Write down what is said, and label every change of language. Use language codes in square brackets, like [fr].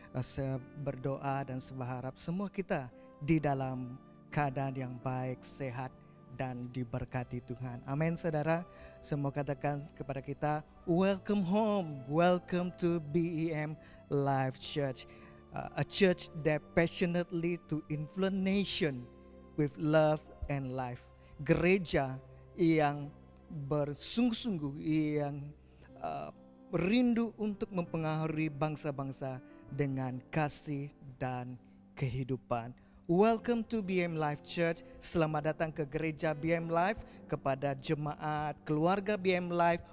[id] Saya berdoa dan berharap semua kita di dalam keadaan yang baik, sehat dan diberkati Tuhan. Amin, saudara. Semua katakan kepada kita, [en] welcome home, welcome to BEM Life Church, a church that passionately to influence nation with love and life. [id] Gereja yang bersungguh-sungguh yang rindu untuk mempengaruhi bangsa-bangsa dengan kasih dan kehidupan. [en] Welcome to BM Life Church. [id] Selamat datang ke gereja BM Life, kepada jemaat keluarga BM Life.